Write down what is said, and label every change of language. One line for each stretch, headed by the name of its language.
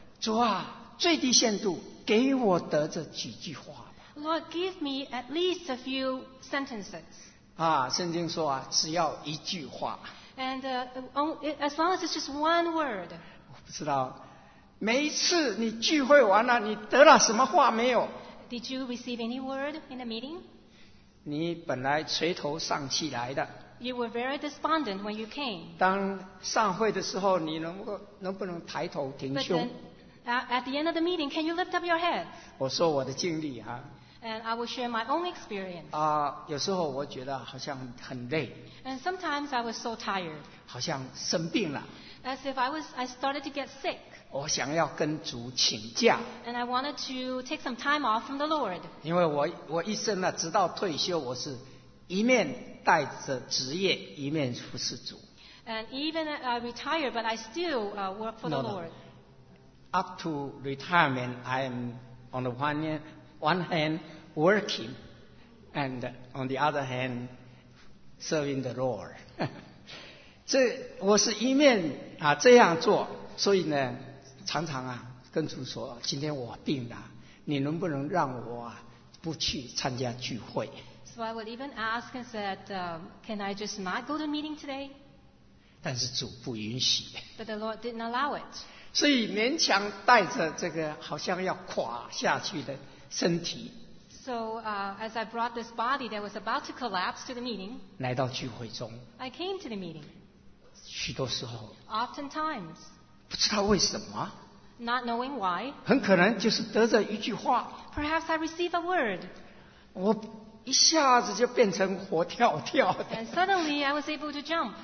Chinese: 主啊，最低限度给我得这几句话吧。
English: Lord, give me at least a few sentences.
Chinese: 啊，圣经说啊，只要一句话。
English: And as long as it's just one word.
Chinese: 我不知道，每一次你聚会完了，你得了什么话没有？
English: Did you receive any word in the meeting?
Chinese: 你本来垂头丧气来的。
English: You were very despondent when you came.
Chinese: 当上会的时候，你能不能抬头挺胸
English: ？At the end of the meeting, can you lift up your head?
Chinese: 我说我的经历哈。
English: And I will share my own experience.
Chinese: 啊，有时候我觉得好像很累。
English: And sometimes I was so tired.
Chinese: 好像生病了。
English: As if I started to get sick.
Chinese: 我想要跟主请假。
English: And I wanted to take some time off from the Lord.
Chinese: 因为我一生呢，直到退休，我是一面带着职业，一面服侍主。
English: And even I retired, but I still work for the Lord. Up to retirement, I am on the one hand working, and on the other hand serving the Lord.
Chinese: 这我是一面啊这样做，所以呢，常常啊跟主说，今天我病了，你能不能让我啊不去参加聚会
English: ？So I would even ask and said, can I just not go to meeting today?
Chinese: 但是主不允许。
English: But the Lord didn't allow it.
Chinese: 所以勉强带着这个好像要垮下去的身体。
English: So as I brought this body that was about to collapse to the meeting,
Chinese: 来到聚会中。
English: I came to the meeting.
Chinese: 许多时候
English: Oftentimes,
Chinese: 不知道为什么
English: not knowing why,
Chinese: 很可能就是得着一句话
English: Perhaps I receive a word,
Chinese: 我一下子就变成活跳跳的
English: And suddenly I was able to jump